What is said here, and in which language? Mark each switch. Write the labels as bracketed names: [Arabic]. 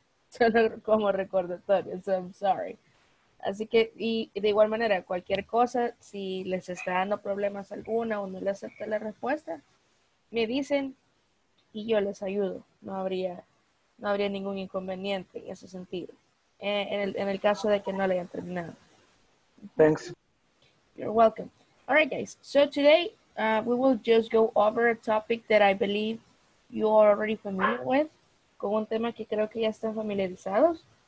[Spanish] Solo como recordatorio. [English] So I'm sorry. [Spanish] Así que, y de igual manera, cualquier cosa, si les está dando problemas alguna o no les acepta la respuesta, me dicen y yo les ayudo. No habría ningún inconveniente en ese sentido. En el caso de que no le hayan terminado. [English] Thanks. You're welcome. All right, guys. So today, we will just go over a topic that I believe you are already familiar with. [Spanish] Con un tema que creo que ya están familiarizados.